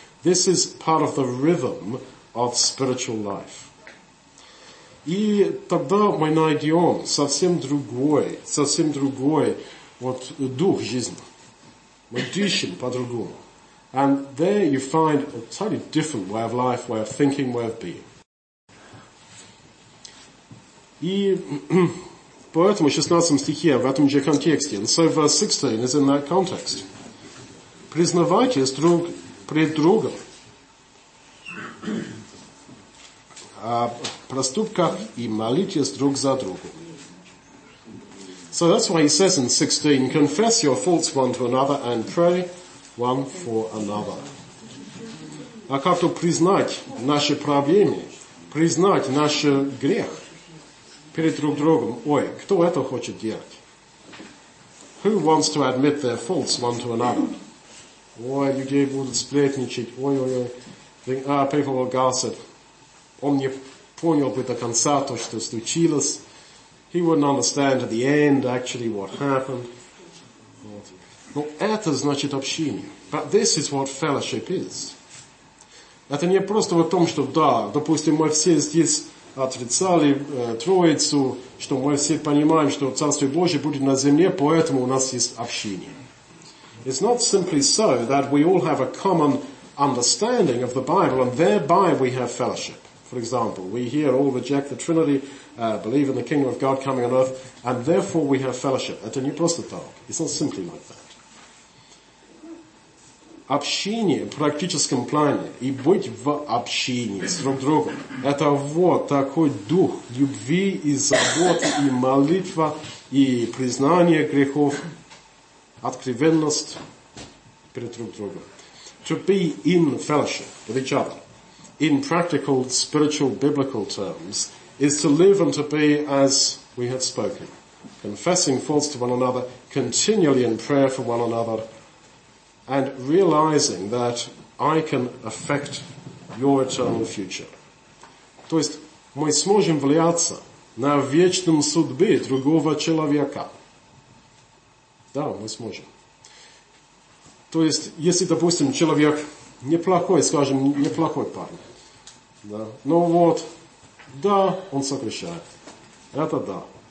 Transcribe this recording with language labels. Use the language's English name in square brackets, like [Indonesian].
[English] This is part of the rhythm of spiritual life. [Russian] И тогда мы найдем совсем другой вот дух жизни. Мы дышим по-другому. [English] And there you find a totally different way of life, way of thinking, way of being. [Russian] И поэтому в 16 стихе, в этом же контексте, [English] and so verse 16 is in that context. [Russian] Признавайтесь друг пред другом, проступках и молитесь друг за другу. [English] So that's why he says in 16, confess your faults one to another and pray one for another. [Russian] А как-то признать наши проблемы, признать наш грех перед друг другом? Ой, кто это хочет делать? [English] Who wants to admit their faults one to another? [Russian] Ой, люди будут сплетничать, ой-ой-ой. [English] А, people will gossip. [Russian] Он не понял бы до конца то, что случилось. [English] He wouldn't understand at the end actually what happened. [Russian] Вот. Но это значит общение. [English] But this is what fellowship is. [Russian] Это не просто о том, что да, допустим, мы все здесь отрицали Троицу, что мы все понимаем, что Царствие Божие будет на земле, поэтому у нас есть общение. [English] It's not simply so that we all have a common understanding of the Bible and thereby we have fellowship. For example, we here all reject the Trinity, believe in the kingdom of God coming on earth, and therefore we have fellowship. [Russian] Это не просто так. [English] It's not simply like that. [Russian] Общение в практическом плане и быть в общении с друг другом – это вот такой дух любви и заботы, и молитва, и признание грехов, откровенность перед друг другом. [English] To be in fellowship with each other, in practical, spiritual, biblical terms, is to live and to be as we have spoken, confessing faults to one another, continually in prayer for one another, and realizing that I can affect your eternal future. [Russian] То есть мы сможем влияться на вечную судьбу другого человека. Да, мы сможем. То есть, если, допустим, человек неплохой, скажем, неплохой парень, да, но вот, да, он согрешает. Это да.